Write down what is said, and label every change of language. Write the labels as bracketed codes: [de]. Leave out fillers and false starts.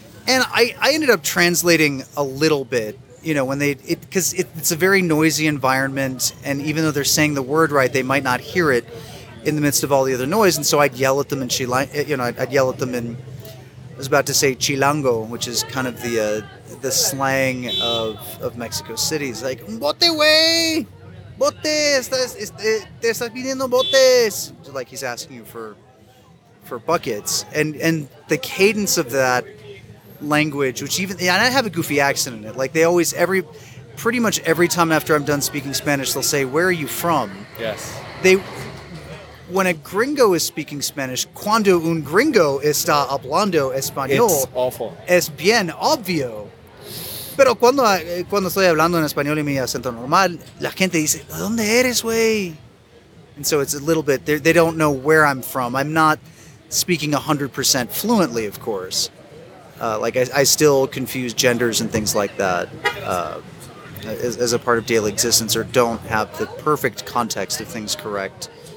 [en] And I ended up translating a little bit, because it's a very noisy environment. And even though they're saying the word right, they might not hear it in the midst of all the other noise. And so I'd yell at them and I'd yell at them and I was about to say Chilango, which is kind of the slang of Mexico City. It's like, [es] bote, wey! Bote! Te estás pidiendo botes! [en] Like, he's asking you for buckets. And the cadence of that language, and I have a goofy accent in it. Like, they always, pretty much every time after I'm done speaking Spanish, they'll say, where are you from? Yes. When a gringo is speaking Spanish, [es] cuando un gringo está hablando español, [en] it's awful. [es] Es bien obvio. Pero cuando estoy hablando en español y mi acento normal, la gente dice, ¿dónde eres, güey? [en] And so it's a little bit, they don't know where I'm from. I'm not speaking 100% fluently, of course. I still confuse genders and things like that as a part of daily existence, or don't have the perfect context of things correct.